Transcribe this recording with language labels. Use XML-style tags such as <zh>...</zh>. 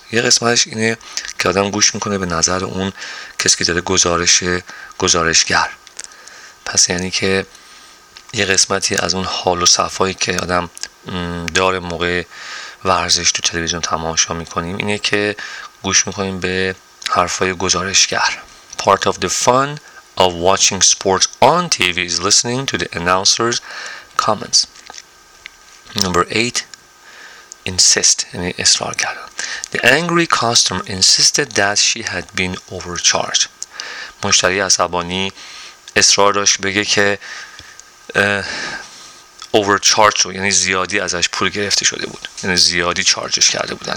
<fa>یه قسمتش اینه که آدم گوش میکنه به نظر اون کسی که داره گزارشگر. پس یعنی که یه قسمتی از اون حال و صفایی که آدم داره موقع ورزش تو تلویزیون تماشا میکنیم اینه که گوش میکنیم به حرفای گزارشگر.</fa> <en>Part of the fun of watching sports on TV is listening to the announcer's comments. Number 8. Insist،</en> <fa>یعنی اصرار کردن.</fa> <en>The angry customer insisted that she had been overcharged.</en> <fa>مشتری عصبانی اصرار داشت بگه که overcharged شد، یعنی زیادی ازش پول گرفته شده بود، یعنی زیادی چارجش کرده بودن.</fa>